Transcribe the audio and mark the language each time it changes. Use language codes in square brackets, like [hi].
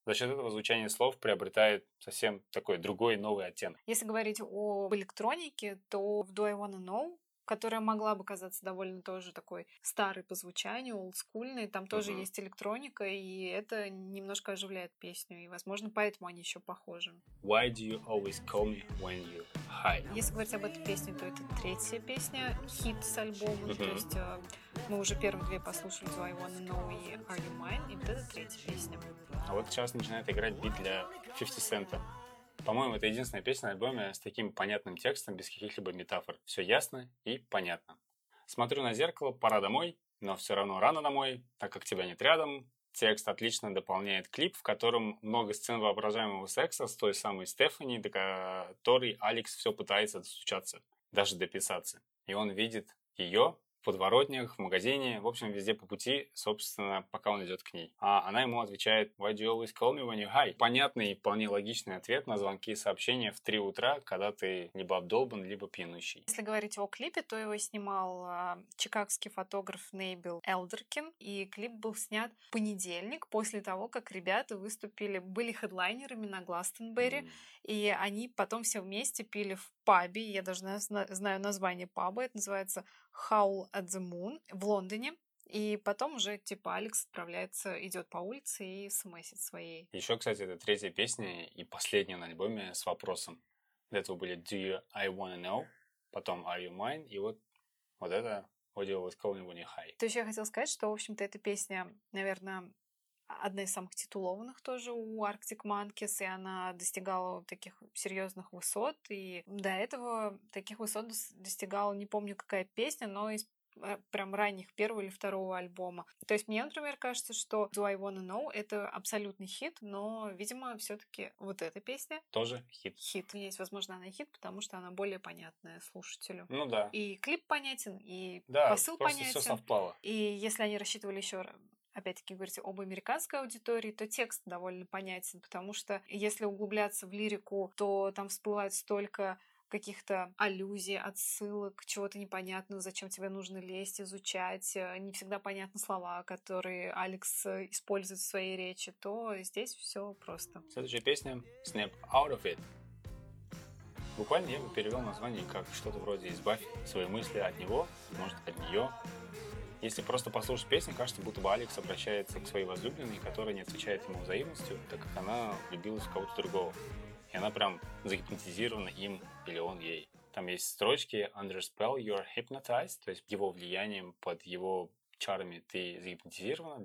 [ru] За счет этого звучание слов приобретает совсем такой другой, новый оттенок. Если говорить об электронике, то в Do I Wanna Know, которая могла бы казаться довольно тоже такой старой по звучанию, олдскульной. Там тоже есть электроника, и это немножко оживляет песню. И, возможно, поэтому они еще похожи. [en] Why do you always call me when you hide? [ru] Если говорить об этой песне, то это третья песня, хит с альбома. То есть мы уже первые две послушали Do I Wanna Know и Are You Mine, и вот это третья песня. А вот сейчас начинает играть бит для 50 Cent. По-моему, это единственная песня на альбоме с таким понятным текстом, без каких-либо метафор. Все ясно и понятно. Смотрю на зеркало, пора домой, но все равно рано домой, так как тебя нет рядом. Текст отлично дополняет клип, в котором много сцен воображаемого секса с той самой Стефани, до которой Алекс все пытается достучаться, даже дописаться. И он видит ее, в подворотнях, в магазине, в общем, везде по пути, собственно, пока он идет к ней. А она ему отвечает: [en] «Why do you always call me when you're high?» [ru] Понятный и вполне логичный ответ на звонки и сообщения в 3 утра, когда ты либо обдолбан, либо пьянущий. Если говорить о клипе, то его снимал чикагский фотограф Нейбел Элдеркин, и клип был снят в понедельник, после того, как ребята выступили, были хедлайнерами на Гластенберри, и они потом все вместе пили в пабе, я даже знаю название паба, это называется Howl at the Moon в Лондоне. И потом уже, типа, Алекс отправляется, идет по улице и смесит своей. Еще, кстати, это третья песня и последняя на альбоме с вопросом. До этого были Do you, I wanna know, потом Are you mine, и вот это What you always call me when you're high. То еще я хотела сказать, что, в общем-то, эта песня, наверное, одна из самых титулованных тоже у Arctic Monkeys, и она достигала таких серьезных высот, и до этого таких высот достигала, не помню, какая песня, но из прям ранних первого или второго альбома. То есть мне, например, кажется, что Do I Wanna Know — это абсолютный хит, но, видимо, все-таки вот эта песня... Тоже хит. Хит. Есть, возможно, она хит, потому что она более понятная слушателю. Ну да. И клип понятен, и да, посыл понятен. Да, просто всё совпало. И если они рассчитывали еще раз, опять-таки, говорить об американской аудитории, то текст довольно понятен, потому что если углубляться в лирику, то там всплывает столько каких-то аллюзий, отсылок, чего-то непонятного, зачем тебе нужно лезть, изучать. Не всегда понятны слова, которые Алекс использует в своей речи, то здесь все просто. Следующая песня — Snap Out of It. Буквально я бы перевел название как что-то вроде «Избавь свои мысли от него», может, от нее. Если просто послушать песню, кажется, будто бы Алекс обращается к своей возлюбленной, которая не отвечает ему взаимностью, так как она влюбилась в кого-то другого. И она прям загипнотизирована им или он ей. Там есть строчки [en] «Under spell you're hypnotized», [ru] то есть его влиянием, под его чарами ты загипнотизирована.